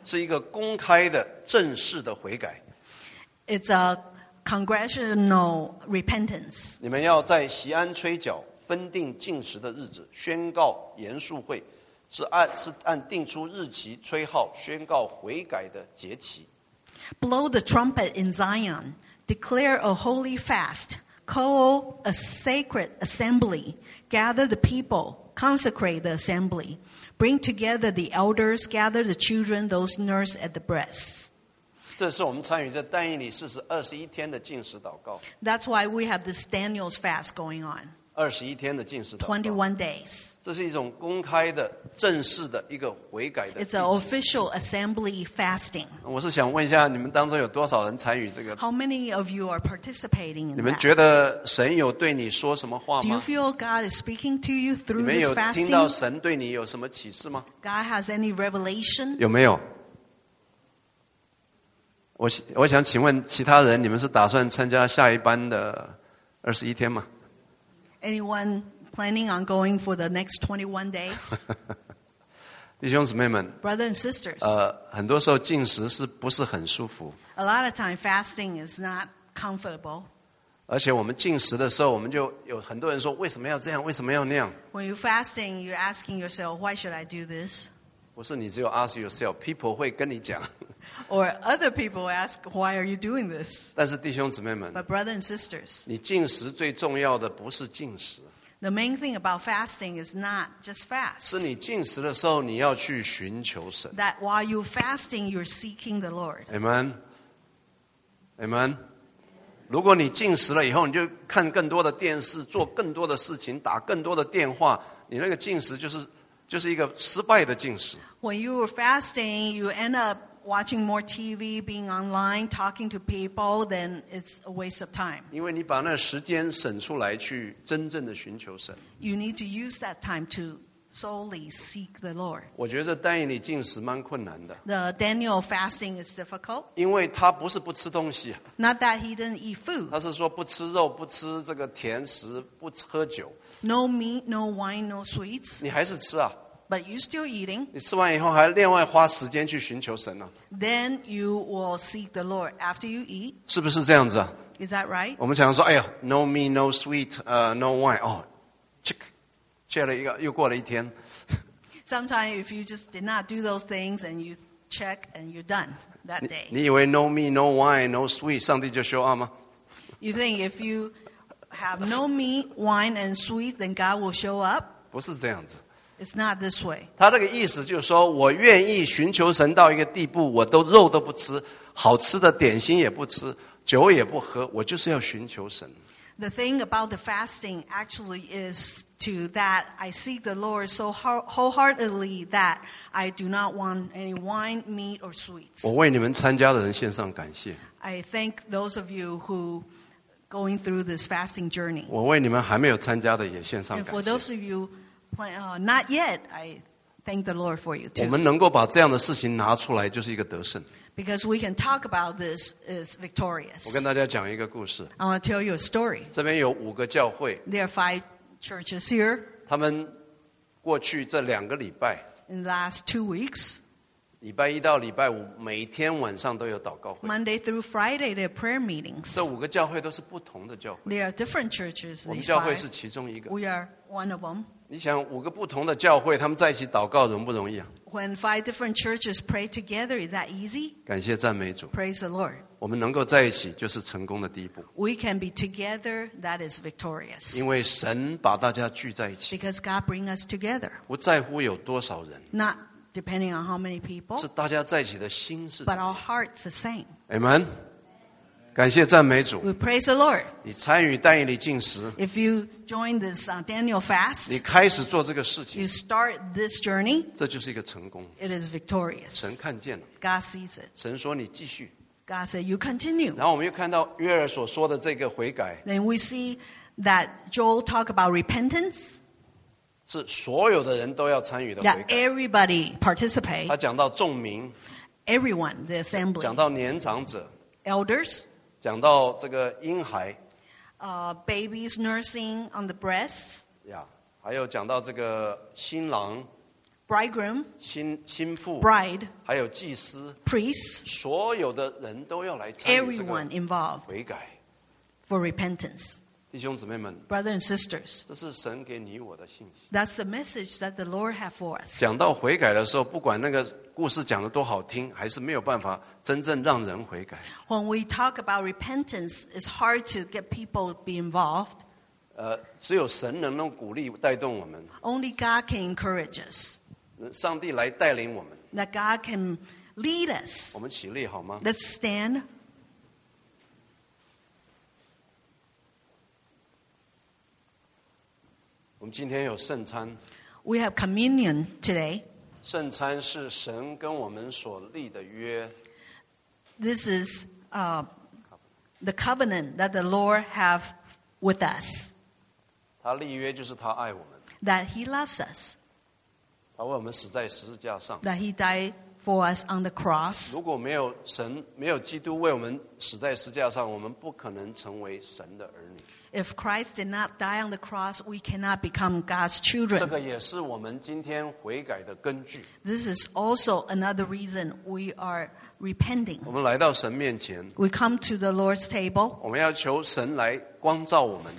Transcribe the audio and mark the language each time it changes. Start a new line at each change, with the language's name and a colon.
Chinese: 是一个公开的正式的悔改。
English: It's a congressional repentance.
Chinese: 你们要在锡安吹角分定禁食的日子，宣告严肃会，是按定出日期吹号，宣告悔改的节期。
English: Blow the trumpet in Zion, declare a holy fast, call a sacred assembly, gather the people, consecrate the assembly. Bring together the elders, gather the children, those nursed at the breasts.
Chinese: 这是我们参与在但以理41天的禁食祷告。
English: That's why we have this Daniel's fast going on.
Chinese: 21天的禁食祷告。
English: 21 days.
Chinese: 这是一种公开的、正式的一个悔改的。
English: It's an official assembly fasting.
Chinese: 我是想问一下，你们当中有多少人参与这个
English: ？How many of you are participating in that?
Chinese: 你们觉得神有对你说什么话吗
English: ？Do you feel God is speaking to you through this fasting?
Chinese: 你们有听到神对你有什么启示吗
English: ？God has any revelation?
Chinese: 有没有？我想请问其他人，你们是打算参加下一班的21天吗？
English: Anyone planning on going for the next 21 days?
Chinese: 弟兄姊妹们
English: Brothers and sisters.
Chinese: 很多时候禁食是不是很舒服
English: A lot of time fasting is not comfortable.
Chinese: 而且我们禁食的时候我们就有很多人说为什么要这样为什么要那样
English: When you're fasting, you're asking yourself, why should I do this?
Chinese: 不是你只有
English: ask yourself, people
Chinese: 会跟你讲
English: Or other people ask, why are you doing this?
Chinese: 但是弟兄姊妹们
English: But brothers and sisters,
Chinese: 你禁食最重要的不是禁食
English: The main thing about fasting is not just fast.
Chinese: 是你禁食的时候你要去寻求神
English: That while you're fasting, you're seeking the Lord. Amen. Amen.
Chinese: 如果你禁食了以后你就看更多的电视做更多的事情打更多的电话你那个禁食就是一个失败的禁食
English: When you are fasting, you end up watching more TV, being online, talking to people, then it's a waste of time.
Chinese: 因为你把那时间省出来去真正的寻求神
English: You need to use that time to solely seek the Lord.
Chinese: 我觉得但以理禁食蛮困难的
English: The Daniel fasting is difficult.
Chinese: 因为他不是不吃东西
English: Not that he didn't eat food.
Chinese: 他是说不吃肉不吃这个甜食不喝酒
English: No meat, no wine, no sweets.
Chinese: 你还是吃啊
English: But you're still eating.
Chinese: 你吃完以后还另外花时间去寻求神呢、啊。
English: Then you will seek the Lord after you eat.
Chinese: 是不是这样子啊
English: ？Is that right？
Chinese: 我们常说，哎呀 ，
English: no meat, no sweet, no wine.
Chinese: 哦，
English: check
Chinese: 了一个，又过了一天。
English: Sometimes if you just did not do those things and you check and you're done that day.
Chinese: 你以为
English: no meat, no wine, no sweet，
Chinese: 上帝就
English: show up
Chinese: 吗
English: ？You think if you have no meat, wine, and sweet, then God will show up？
Chinese: 不是这样子。
English: It's not this way.
Chinese: 他这个意思就是说，我愿意寻求神到一个地步，我都肉都不吃，好吃的点心也不吃，酒也不喝，我就是要寻求神。
English: The thing about the fasting actually is to that I seek the Lord so wholeheartedly that I do not want any wine, meat, or sweets.
Chinese: 我为你们参加的人献上感谢。
English: I thank those of you who. Going through this fasting journey.
Chinese: 我为你们还没有参加的也献上感谢。
English: And for those of you not yet, I thank the Lord for you too.
Chinese: 我们能够把这样的事情拿出来，就是一个得胜。
English: Because we can talk about this is victorious.
Chinese: 我跟大家讲一个故事。
English: I want to tell you a story.
Chinese: 这边有五个教会。
English: There are five churches here.
Chinese: 他们过去这两个礼拜。
English: In the last 2 weeks.
Chinese: 礼拜一到礼拜五每天晚上都有祷告会。
English: Monday through Friday, there are prayer meetings.
Chinese: 这五个教会都是不同的教会。
English: There are different churches.
Chinese: 我们教会是其中一个。
English: We are one of them.
Chinese: 你想五个不同的教会他们在一起祷告容不容易啊？
English: When five different churches pray together, is that easy?
Chinese: 感谢赞美主。
English: Praise the Lord.
Chinese: 我们能够在一起就是成功的第一步。
English: We can be together, that is victorious.
Chinese: 因为神把大家聚在一起。
English: Because God brings us together.
Chinese: 不在乎有多少人。
English: Not depending on how many people,
Chinese: 是大家在一起的心是。
English: But our hearts the same.
Chinese: Amen. 感谢赞美主。
English: We praise the Lord.
Chinese: 你参与但以理禁食。
English: If you join this Daniel fast,
Chinese: 你开始做这个事情。
English: You start this journey.
Chinese: 这就是一个成功。
English: It is victorious.
Chinese: 神看见了。
English: God sees it.
Chinese: 神说你继续。
English: God said you continue.
Chinese: 然后我们又看到约珥所说的这个悔改。
English: Then we see that Joel talk about repentance.
Chinese: 是所有的人都要参与的悔改。
English: Yeah, everybody participate.
Chinese: 他讲到众民。
English: Everyone, the assembly.
Chinese: 讲到年长者。
English: Elders.
Chinese: 讲到这个婴孩。
English: Babies nursing on the breasts. Yeah,
Chinese: 还有讲到这个新郎。
English: Bridegroom.
Chinese: 新妇。
English: Bride.
Chinese: 还有祭司。
English: Priests.
Chinese: 所有的人都要来参与这个悔改。
English: Everyone involved.
Chinese: 悔改。
English: For repentance.
Chinese: 弟兄姊妹们
English: Brothers and sisters,
Chinese: 这是神给你我的信息
English: That's the message that the Lord has for us
Chinese: 讲到悔改的时候不管那个故事讲得多好听还是没有办法真正让人悔改
English: When we talk about repentance it's hard to get people to be involved
Chinese: 只有神能够鼓励带动我们
English: Only God can encourage us
Chinese: 上帝来带领我们
English: That God can lead us
Chinese: 我们起立好吗
English: Let's stand We
Chinese: 们今天有圣餐
English: We have communion today.
Chinese: 圣餐是神跟我们所立的约
English: This is the covenant that the Lord have with us.
Chinese: 他立约就是他爱我们
English: That he loves us.
Chinese: 他为我们死在十字架上
English: That he died for us on the cross.
Chinese: 如果没有神没有基督为我们死在十字架上我们不可能成为神的儿女
English: If Christ did not die on the cross, we cannot become God's children.
Chinese: 这个也是我们今天悔改的根据。
English: This is also another reason we are repenting.
Chinese: 我们来到神面前。
English: We come to the Lord's table.
Chinese: 我们要求神来光照我们。